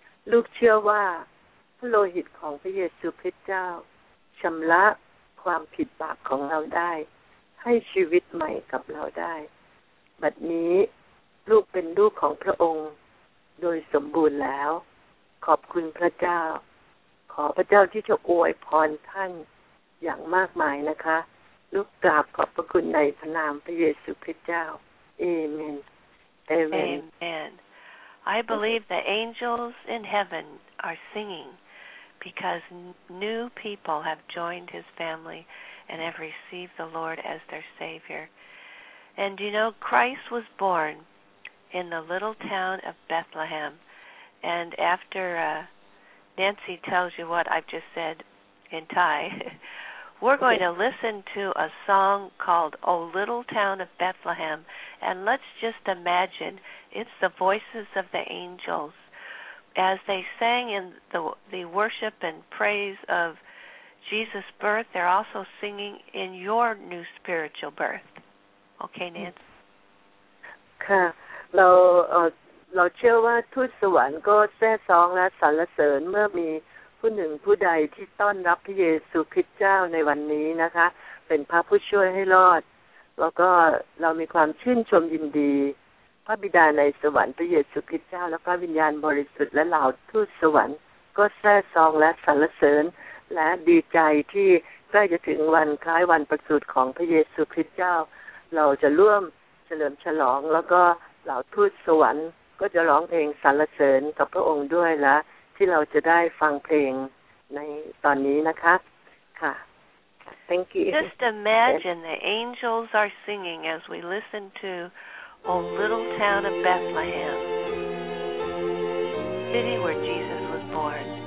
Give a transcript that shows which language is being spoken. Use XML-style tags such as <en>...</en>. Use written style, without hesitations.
<th>ลูกเชื่อว่าพระโลหิตของพระเยซูคริสต์เจ้าชำระความผิดบาปของเราได้ให้ชีวิตใหม่กับเราได้บัดนี้ลูกเป็นลูกของพระองค์โดยสมบูรณ์แล้วขอบคุณพระเจ้าขอพระเจ้าที่จะอวยพรท่านอย่างมากมายนะคะลูกกราบขอบพระคุณในพระนามพระเยซูคริสต์เจ้าเอเมนเอเมนเอเม</th> <en>น I believe the angels in heaven are singing because new people have joined his familyand have received the Lord as their Savior. And you know, Christ was born in the little town of Bethlehem. And after Nancy tells you what I've just said in Thai, we're going to listen to a song called O Little Town of Bethlehem. And let's just imagine, it's the voices of the angels. As they sang in the worship and praise of Jesus' birth, they're also singing in your new spiritual birth. Okay, Nancy?</en> <th>ค่ะเราเชื่อว่าทูตสวรรค์ก็แซ่ซ้องและสรรเสริญเมื่อมีผู้หนึ่งผู้ใดที่ต้อนรับพระเยซูคริสต์เจ้าในวันนี้นะคะเป็นพระผู้ช่วยให้รอดแล้วก็เรามีความชื่นชมยินดี พระบิดาในสวรรค์พระเยซูคริสต์เจ้าแล้วก็วิญญาณบริสุทธิ์และเหล่าทูตสวรรค์ก็แซ่ซ้องและสรรเสริญและดีใจที่ใกล้จะถึงวันคล้ายวันประสูติของพระเยซูคริสต์เจ้าเราจะร่วมเฉลิมฉลองแล้วก็เหล่าทูตสวรรค์ก็จะร้องเพลงสรรเสริญกับพระองค์ด้วยและเฉ ที่เราจะได้ฟังเพลงในตอนนี้นะคะค่ะ</th> <en>Thank you. Just imagine the angels are singing as we listen to O Little Town of Bethlehem, city where Jesus was born.</en>